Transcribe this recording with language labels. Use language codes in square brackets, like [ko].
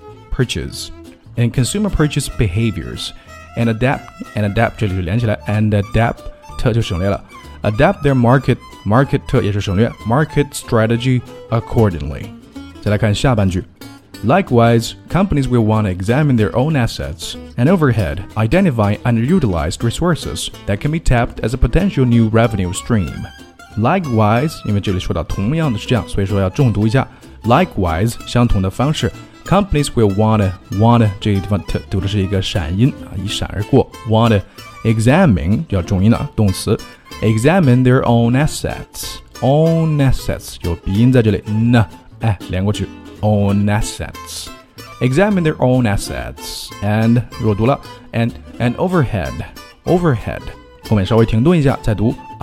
[en] Purchase in consumer purchase behaviors and adapt [zh] 这里就连起来 [en] and adapt [zh] 特就省略了。 [en] Adapt their market [zh] 特也是省略 [en] market strategy accordingly. [zh] 再来看下半句。 [en] Likewise, companies will want to examine their own assets and overhead, identify underutilized resources that can be tapped as a potential new revenue stream. [zh] Likewise, 因为这里说到同样的是这样，所以说要重读一下。 [en] Likewise, [zh] 相同的方式 [en] companies will want to [zh] 这个地方特读的是一个闪音啊，一闪而过 [en] want to examine [zh] 要重音了，动词。 [en] Examine their own assets. Own assets [zh] 有鼻音在这里，那哎连过去。 [en] Own assets. Examine their own assets and [zh] 弱读了 [en] and overhead [zh] 后面稍微停顿一下再读。